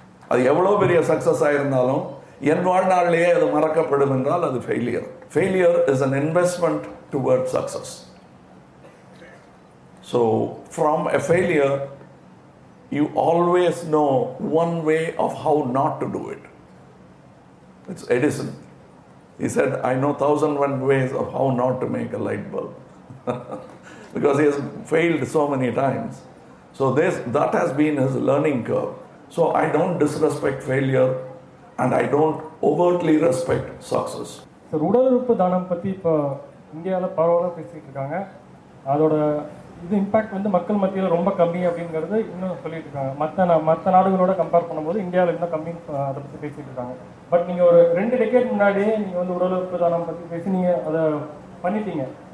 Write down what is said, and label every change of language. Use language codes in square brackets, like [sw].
[ta] அது எவ்வளோ பெரிய சக்சஸ் ஆயிருந்தாலும் என் வாழ்நாளிலேயே அது மறக்கப்படும் என்றால் அது failure. [en] Failure is an investment toward success. So from a failure you always know one way of how not to do it. It's Edison. He said, I know 1001 ways of how not to make a light bulb. Because he has failed so many times. So that has been his learning curve. So I don't disrespect failure and I don't overtly respect success. [ta] Sir, உடல் உறுப்பு தானம் பத்தி இப்ப இந்தியால பரவலா பேசிட்டு இருக்காங்க. அதோட இது இம்பாக்ட் வந்து மக்கள் மத்தியில் ரொம்ப கம்மி அப்படிங்கிறது இன்னும் சொல்லிட்டு இருக்காங்க. மற்ற நாடுகளோட கம்பேர் பண்ணும்போது இந்தியாவில் இன்னும் கம்மின்னு அதை பற்றி பேசிட்டு இருக்காங்க. பட் நீங்கள் ஒரு ரெண்டு டெக்கேட் முன்னாடியே நீங்கள் வந்து உடல் உறுப்பு தானம் பற்றி பேசி நீங்கள் அதை பண்ணிட்டீங்க.